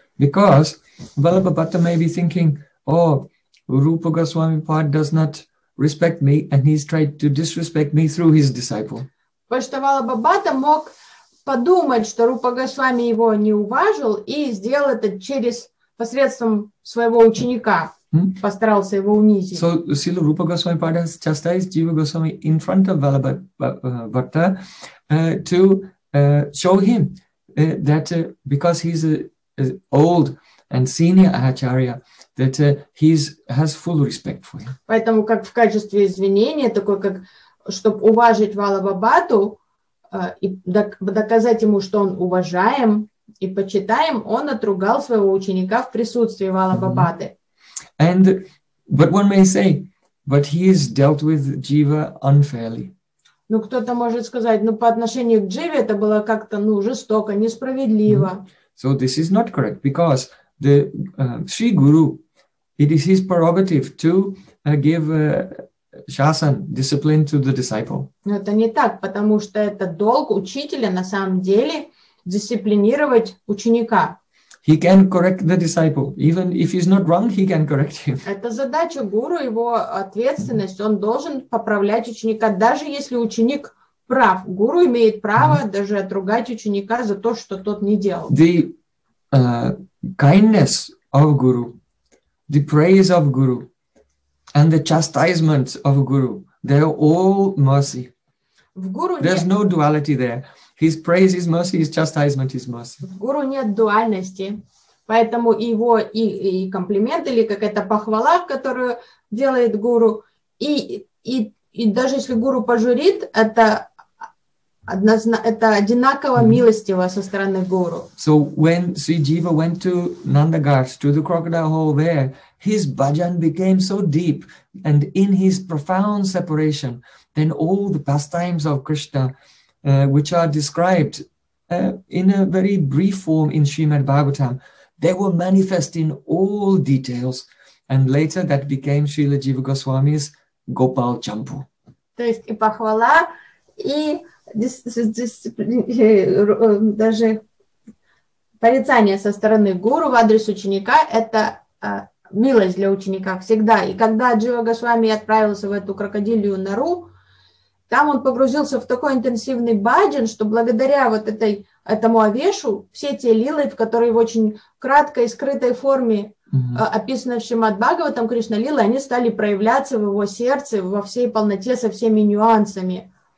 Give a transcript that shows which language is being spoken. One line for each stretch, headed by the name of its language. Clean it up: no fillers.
English: Because Valabhabhata may be thinking, oh, Rupa Goswami Pad does not respect me and he's tried to disrespect me through his disciple.
Russian: Потому что Валабхабхата мог подумать, что Рупа Госвами его не уважил и сделал это через посредством своего ученика, постарался его унизить.
English: So Srila Rupa Goswami Pad has chastised Jiva Goswami in front of Valabhabhata to show him that because he's an old and senior acharya, that he has full respect for him.
Russian: Поэтому как в качестве извинения, такой как, чтобы уважить Валабхабхату и доказать ему, что он уважаем и почитаем, он отругал своего ученика в присутствии Валабхабхаты.
English: And, but one may say, but he has dealt with Jiva unfairly.
Russian: Ну, кто-то может сказать, ну, по отношению к Дживе это было как-то, ну, жестоко, несправедливо.
English: So this is not correct, because the Sri Guru, it is his prerogative to give shasan, discipline to the disciple.
Russian: Но это не так, потому что это долг учителя на самом деле дисциплинировать ученика.
English: He can correct the disciple. Even if he's not wrong, he can correct him.
Russian: Это задача гуру, его ответственность. Он должен поправлять ученика, даже если ученик прав. Гуру имеет право даже отругать ученика за то, что тот не делал.
English: The kindness of guru, the praise of guru, and the chastisement of guru, they're all mercy.
Russian: В гуру
English: there's
Russian: нет.
English: No duality there. His praise is mercy, his chastisement is mercy.
Russian: В гуру нет дуальности, поэтому его и комплимент, или какая-то похвала, которую делает гуру, и даже если гуру пожурит, это одинаково милостиво со стороны гуру.
English: So when Sri Jiva went to Nandagarh, to the crocodile hole there, his bhajan became so deep, and in his profound separation, then all the pastimes of Krishna, which are described in a very brief form in Srimad Bhagavatam, they were manifest in all details, and later that became Srila Jiva Goswami's Gopal Champu.
Russian: То есть и похвала, и даже порицание со стороны гуру в адрес ученика – это милость для ученика всегда. И когда Джива Госвами отправился в эту крокодилью нору, там он погрузился в такой интенсивный баджан, что благодаря вот этому овешу, все те лилы, в которые в очень краткой, скрытой форме описано в Шримад Бхагаватам, Кришна лилы, они стали проявляться в его сердце во всей полноте, со всеми нюансами.